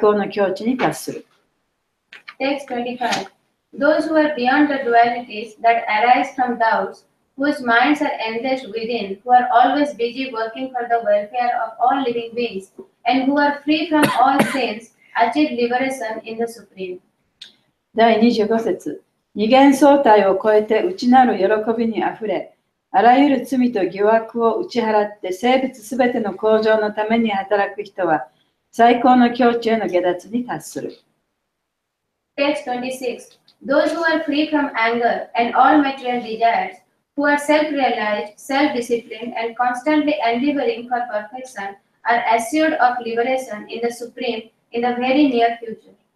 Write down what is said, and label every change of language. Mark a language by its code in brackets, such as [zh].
[en] Those who are beyond the dualities that arise from doubts, whose minds are engaged within, who are always busy working for the welfare of all living beings, and who are free from all sins, achieve liberation in the Supreme. [ja] 第25節、二元相対を超えて内なる喜びにあふれ、あらゆる罪と疑惑を打ち払って生物すべての向上のために働く人は、最高の境地への下脱に達する。 [en] Text 26. Those who are free from anger and all material desires, who are self-realized, self-disciplined, and constantly endeavoring for perfection, are assured of liberation in the Supreme in the very near future.